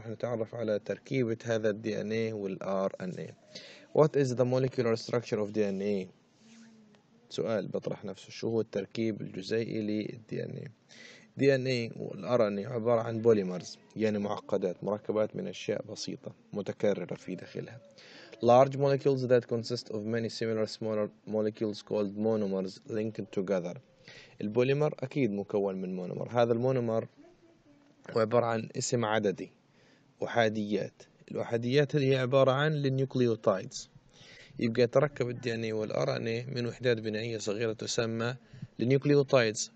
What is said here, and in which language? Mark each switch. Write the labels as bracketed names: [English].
[Arabic] راح نتعرف على تركيبة هذا الDNA والRNA. [English] What is the molecular structure of DNA؟ [Arabic] سؤال بطرح نفسه، شو هو التركيب الجزيئي للDNA؟ DNA والRNA عبارة عن بوليمرز، يعني معقدات، مركبات من أشياء بسيطة متكررة في داخلها. [English] Large molecules that consist of many similar smaller molecules called monomers linked together. [Arabic] البوليمر أكيد مكون من مونومر. هذا المونومر هو عبارة عن اسم عددي، أحاديات. الأحاديات هي عبارة عن النيوكليوتيدز. يبقى تركب الـ DNA والـ RNA من وحدات بنائية صغيرة تسمى النيوكليوتيدز.